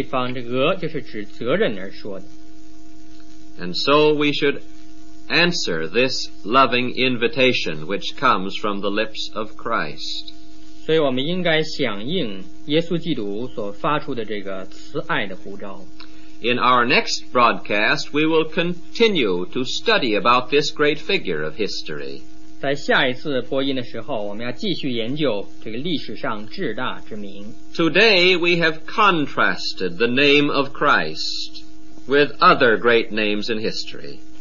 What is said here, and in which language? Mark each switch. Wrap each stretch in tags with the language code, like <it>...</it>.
<zh>我们都知道轭是什么，在这个地方，这轭就是指责任而说的。</zh> <en>And so we should answer this loving invitation which comes from the lips of Christ.</en> <zh>所以我们应该响应耶稣基督所发出的这个慈爱的呼召。</zh> <en>In our next broadcast, we will continue to study about this great figure of history.</en> <zh>在下一次播音的时候，我们要继续研究这个历史上至大之名。</zh> <en>Today we have contrasted the name of Christ with other great names in history.</en>